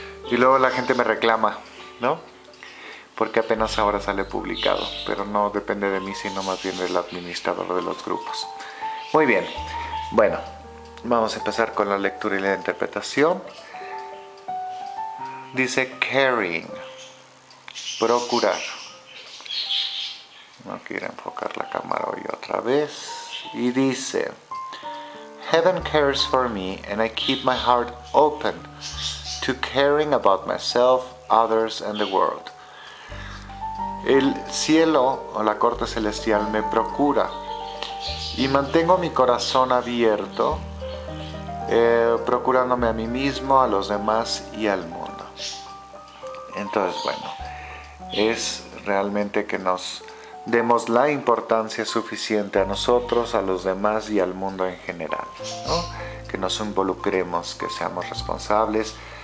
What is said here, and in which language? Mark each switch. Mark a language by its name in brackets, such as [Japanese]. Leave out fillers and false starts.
[Spanish] Y luego la gente me reclama, ¿no? Porque apenas ahora sale publicado, pero no depende de mí, sino más bien del administrador de los grupos. Muy bien, bueno, vamos a empezar con la lectura y la interpretación. Dice caring, procurar. No quiero enfocar la cámara hoy otra vez. [English] Y dice: Heaven cares for me and I keep my heart open to caring about myself, others and the world. [Spanish] El cielo o la corte celestial me procura y mantengo mi corazón abierto, procurándome a mí mismo, a los demás y al mundo. Entonces, bueno, es realmente que nos demos la importancia suficiente a nosotros, a los demás y al mundo en general, ¿no? Que nos involucremos, que seamos responsables,